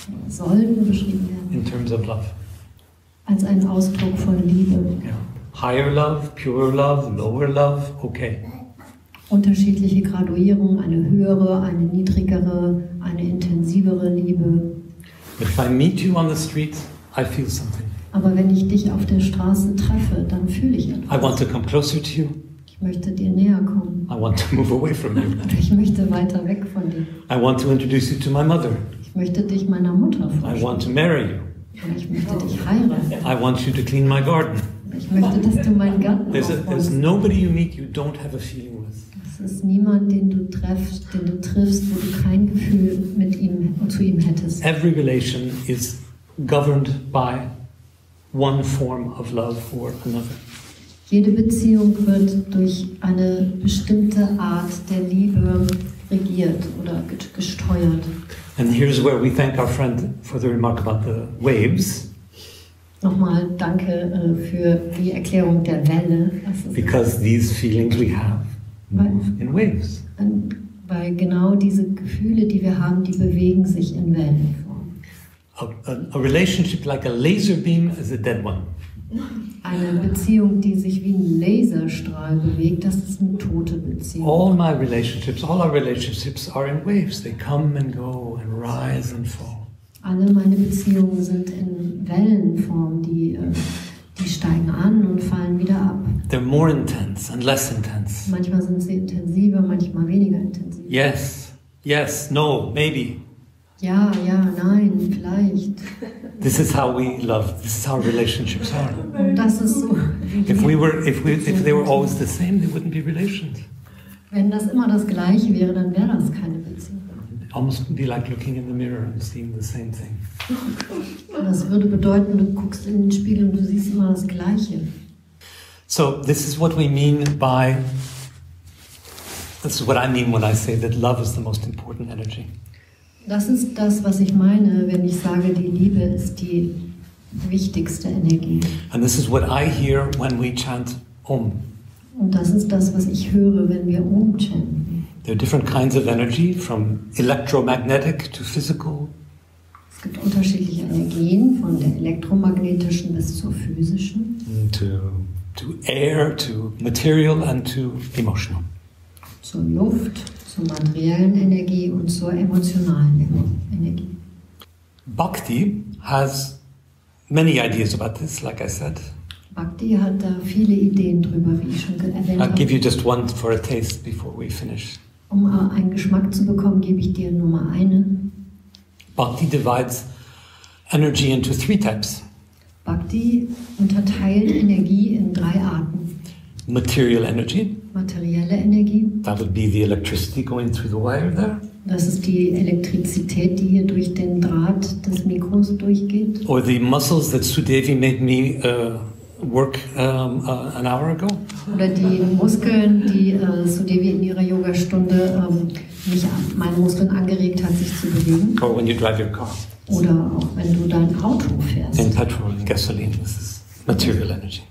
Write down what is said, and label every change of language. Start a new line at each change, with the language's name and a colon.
German: Sollten beschrieben werden.
English: In terms of love.
German: Als ein Ausdruck von Liebe.
English: Yeah. Higher love, pure love, lower love, okay.
German: Unterschiedliche Graduierungen, eine höhere, eine niedrigere, eine intensivere Liebe.
English: If I meet you on the street, I feel something.
German: Aber wenn ich dich auf der Straße treffe, dann fühle ich etwas.
English: I want to come closer to you.
German: Ich möchte dir näher kommen.
English: I want to move away from you.
German: Ich möchte weiter weg von dir.
English: I want to introduce you to my mother.
German: Ich möchte dich meiner Mutter vorstellen.
English: I want to marry you.
German: Und ich möchte dich heiraten.
English: I want you to clean my garden.
German: Ich möchte, dass du meinen Garten aufräumst.
English: There's nobody you meet you don't have a feeling with.
German: Es ist niemand, den du triffst, wo du kein Gefühl mit ihm zu ihm hättest.
English: Every relation is governed by one form of love or another.
German: Jede Beziehung wird durch eine bestimmte Art der Liebe regiert oder gesteuert.
English: And here's where we thank our friend for the remark about the waves.
German: Nochmal danke für die Erklärung der Welle.
English: Because these feelings we have move in waves.
German: Weil genau diese Gefühle, die wir haben, die bewegen sich in Wellen.
English: A relationship like a laser beam is a dead one.
German: Eine Beziehung, die sich wie ein Laserstrahl bewegt, das ist eine tote Beziehung.
English: All my relationships, all our relationships are in waves. They come and go and rise and fall.
German: Alle meine Beziehungen sind in Wellenform, die steigen an und fallen wieder ab.
English: They're more intense and less intense.
German: Manchmal sind sie intensiver, manchmal weniger intensiv.
English: Yes, yes, no, maybe.
German: Ja, ja, nein, vielleicht.
English: This is how we love. This is how relationships are.
German: Das ist so.
English: If they were always the same, they wouldn't be relations.
German: Wenn das immer das Gleiche wäre, dann wäre das keine Beziehung.
English: Almost be like looking in the mirror and seeing the same thing.
German: Das würde bedeuten, du guckst in den Spiegel und du siehst immer das Gleiche.
English: So this is what we mean by. This is what I mean when I say that love is the most important energy.
German: Das ist das, was ich meine, wenn ich sage, die Liebe ist die wichtigste Energie.
English: And this is what I hear when we chant Om.
German: Und das ist das, was ich höre, wenn wir Om chanten.
English: There are different kinds of energy, from electromagnetic to physical.
German: Es gibt unterschiedliche Energien, von der elektromagnetischen bis zur physischen.
English: To air, to material and to emotional.
German: Zur Luft, zur materiellen Energie und zur emotionalen Energie.
English: Bhakti has many ideas about this, like I said.
German: Bhakti hat da viele Ideen drüber, wie ich schon erwähnt habe.
English: I'll give you just one for a taste before we finish.
German: Um einen Geschmack zu bekommen, gebe ich dir nur mal eine.
English: Bhakti divides energy into three types.
German: Bhakti unterteilt Energie in drei Arten.
English: Material energy.
German: Materielle Energie.
English: That would be the electricity going through the wire there.
German: Das ist die Elektrizität, die hier durch den Draht des Mikros durchgeht.
English: Or the muscles that Sudevi made me work an hour ago.
German: Oder die Muskeln, die Sudevi in ihrer Yogastunde meine Muskeln angeregt hat, sich zu bewegen.
English: Or when you drive your car.
German: Oder auch wenn du dein Auto fährst.
English: In petrol, in gasoline, this is material energy.